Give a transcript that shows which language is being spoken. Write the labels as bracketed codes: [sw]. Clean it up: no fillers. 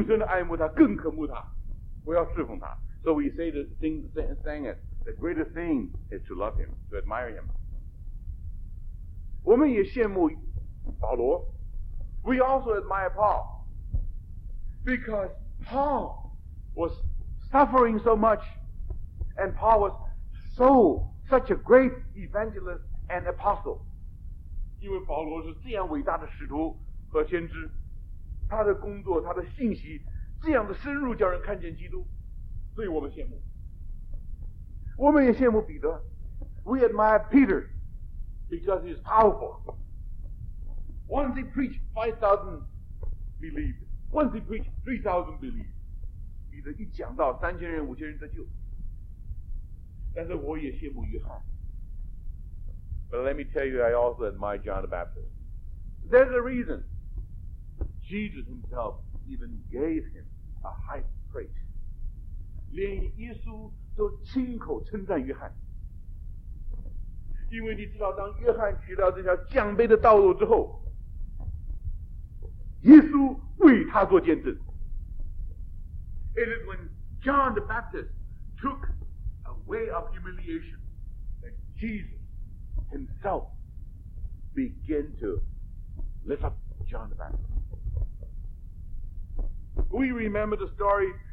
[zh] 当然，最值得羡慕的、最值得爱慕的是耶稣。所以在我们心里面常常说，我要爱慕耶稣，更深的爱慕他，更渴慕他。我要侍奉他。 [en] So we say the thing, saying it, the greatest thing is to love him, to admire him. [zh] 我们也羡慕保罗。 [en] We also admire Paul, because Paul was suffering so much, and Paul was so such a great evangelist and apostle. [zh] 因为保罗是这样伟大的使徒和先知，他的工作、他的信息这样的深入，叫人看见基督。所以我们羡慕，我们也羡慕彼得。 [en] We admire Peter because he's powerful. Once he preached, 5,000 believed. Once he preached, 3,000 believed. [zh] 一讲到三千人五千人得救，但是我也羡慕约翰。 [en] But let me tell you, I also admire John the Baptist. There's a reason. Jesus himself even gave him a high praise. [zh] 连耶稣都亲口称赞约翰。因为你知道，当约翰取到这条奖杯的道路之后， 耶稣为他做见证。 [en] It is when John the Baptist took a way of humiliation that Jesus himself began to lift up John the Baptist. We remember the story.